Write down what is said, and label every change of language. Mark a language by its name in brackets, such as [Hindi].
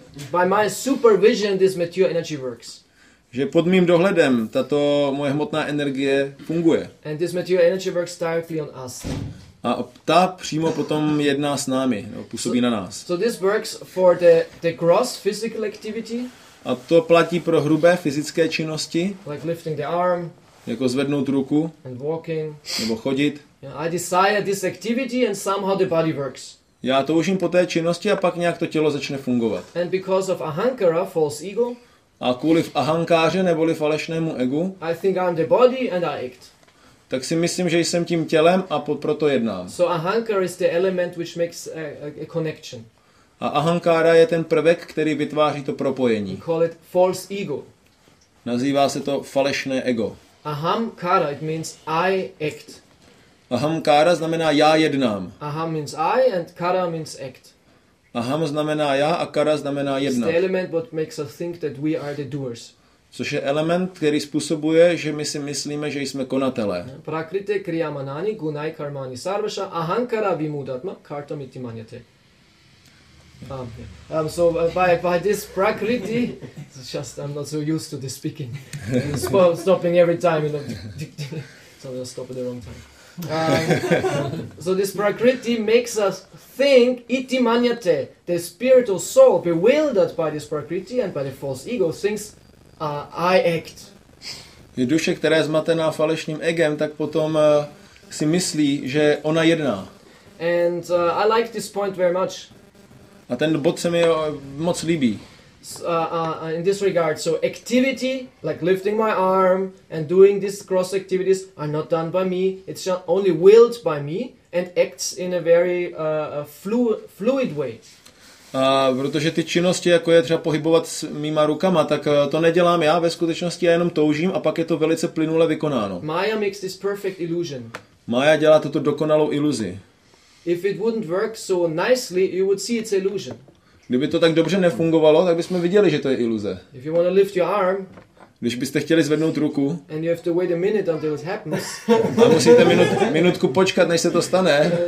[English] By my supervision this material energy works. [Czech] Že pod mým dohledem tato moje hmotná energie funguje. [English] And this material energy works directly on us. [Czech] A ta přímo potom jedná s námi, no, působí na nás. [English] So this works for the gross physical activity. [Czech] A to platí pro hrubé fyzické činnosti, [English] like lifting the arm, [Czech] jako zvednout ruku, [English] and walking, [Czech] nebo chodit. [English] Yeah, I desire this activity and somehow the body works. [Czech] Já toužím po té činnosti a pak nějak to tělo začne fungovat. [English] And because of ahankara, false ego, [Czech] a kvůli ahankáře neboli falešnému egu, [English] I think I'm the body and I act. [Czech] Tak si myslím, že jsem tím tělem a proto jednám. [English] So ahankara is the element which makes a connection. [Czech] A ahankára je ten prvek, který vytváří to propojení. [English] We call it false ego. [Czech] Nazývá se to falešné ego. [English] Ahamkara, it means I act. [Czech] Ahamkára znamená já jednám. [English] Aham means I and kara means act. [Czech] Aham znamená já a kara znamená jednat. [English] It's the element what makes us think that we are the doers. [Czech] Což je element, který způsobuje, že my si myslíme, že jsme konatelé. [Sanskrit] Prakrite kriyamanani gunai karmani sarvasha ahankara vimudatma kartam iti manyate. [English] So by this prakriti, it's just I'm not so used to the speaking, stopping every time, you know, so I'll stop at the wrong time. So this prakriti makes us think [Sanskrit] iti manyate, [English] the spiritual soul bewildered by this prakriti and by the false ego thinks I act. [Czech] Je duše, která je zmatená falešným egem, tak potom si myslí, že ona jedná. [English] And I like this point very much. [Czech] A ten bod se mi moc líbí. [English] In this regard, so activity like lifting my arm and doing these cross activities are not done by me. It's only willed by me and acts in a very fluid way. [Czech] A protože ty činnosti, jako je třeba pohybovat s mýma rukama, tak to nedělám já ve skutečnosti, já jenom toužím a pak je to velice plynule vykonáno. [English] Maya makes this perfect illusion. [Czech] Maya dělá tuto dokonalou iluzi. [English] If it wouldn't work so nicely, you would see it's illusion. [Czech] Kdyby to tak dobře nefungovalo, tak bychom viděli, že to je iluze. [English] If you want to lift your arm, [Czech] když byste chtěli zvednout ruku, [English] and you have to wait a minute until it happens, [Czech] a musíte minutku počkat, než se to stane,